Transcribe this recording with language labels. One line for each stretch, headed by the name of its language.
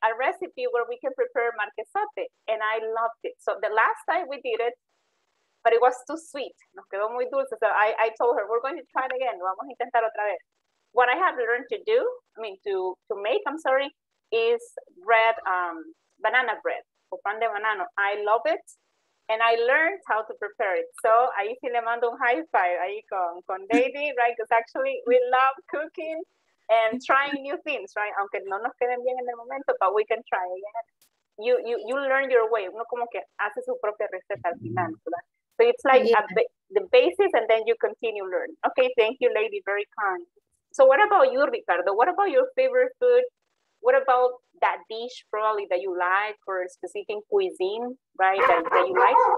English: A recipe where we can prepare marquesote, and I loved it. So the last time we did it, but it was too sweet.
Spanish: Nos quedó muy dulce.
English: So I told her, we're going to try it again.
Spanish: Vamos a intentar otra vez.
English: What I have learned to do, I mean, to make, I'm sorry, is bread, banana bread,
Spanish: o pan de banano.
English: I love it, and I learned how to prepare it.
Spanish: So ahí sí le mando un
English: high five
Spanish: ahí con Lady,
English: right? Because actually we love cooking and trying new things, right?
Spanish: Aunque no nos queden bien en el momento,
English: but we can try again. You learn your way.
Spanish: Uno como que hace su propia receta al final, ¿verdad?
English: So it's like the basis, and then you continue learning. Okay, thank you, Lady, very kind. So what about you, Ricardo? What about your favorite food? What about that dish probably that you like, or a specific cuisine, right, that you like?